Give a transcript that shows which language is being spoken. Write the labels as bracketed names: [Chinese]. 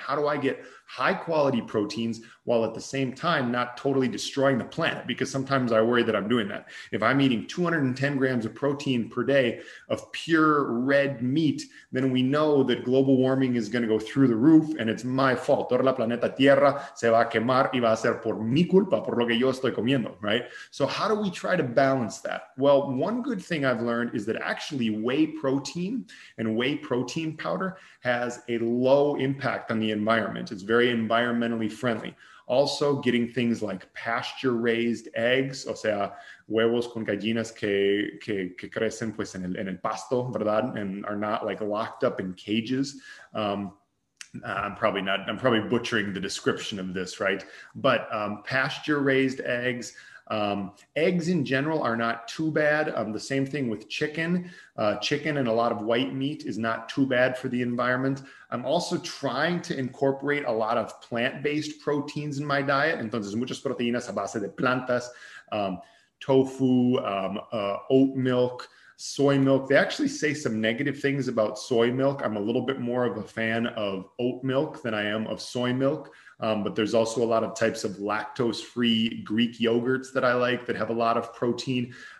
[English] How do I get high quality proteins while at the same time not totally destroying the planet? Because sometimes I worry that I'm doing that. If I'm eating 210 grams of protein per day of pure red meat, then we know that global warming is going to go through the roof and it's my fault. [Spanish] Toda la planeta Tierra se va a quemar y va a ser por mi culpa, por lo que yo estoy comiendo, right? [English] So how do we try to balance that? Well, one good thing I've learned is that actually whey protein and whey protein powder has a low impact on the environment. It's very environmentally friendly. Also, getting things like pasture-raised eggs, [Spanish] o sea, huevos con gallinas que crecen pues en el pasto, ¿verdad? [English] And are not like locked up in cages. I'm probably butchering the description of this, right? But pasture-raised eggs, eggs in general are not too bad. The same thing with chicken. Chicken and a lot of white meat is not too bad for the environment. I'm also trying to incorporate a lot of plant-based proteins in my diet. [Spanish] Entonces, muchas proteínas a base de plantas, tofu, [English] oat milk, soy milk. They actually say some negative things about soy milk. I'm a little bit more of a fan of oat milk than I am of soy milk. But there's also a lot of types of lactose-free Greek yogurts that I like that have a lot of protein.